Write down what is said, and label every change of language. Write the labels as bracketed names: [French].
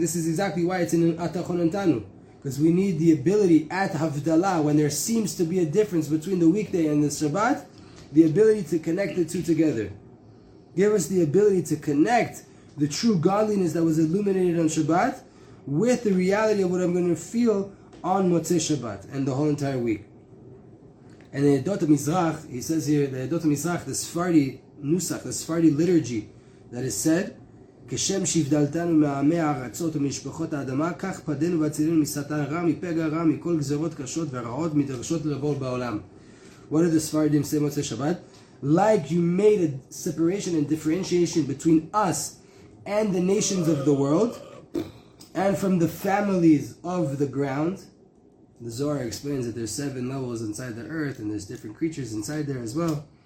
[English] This is exactly why it's in Atachonantanu. Because we need the ability at Havdalah, when there seems to be a difference between the weekday and the Shabbat, the ability to connect the two together. Give us the ability to connect the true godliness that was illuminated on Shabbat with the reality of what I'm going to feel on Motzei Shabbat and the whole entire week. And in Edot HaMizrach, he says here, the Edot HaMizrach, the Sephardi Nusach, the Sephardi liturgy that is said, [Hebrew] כשם שיבדלתנו מהעמי הארצות ומשפחות האדמה, כך פדינו והצילינו מסתן רע, מפגע רע, מכל גזרות קשות ורעות מדרשות לבוא בעולם. [English] What did the Sephardim say Motzei Shabbat? Like you made a separation and differentiation between us and the nations of the world, and from the families of the ground. The Zohar explains that there's 7 levels inside the earth, and there's different creatures inside there as well.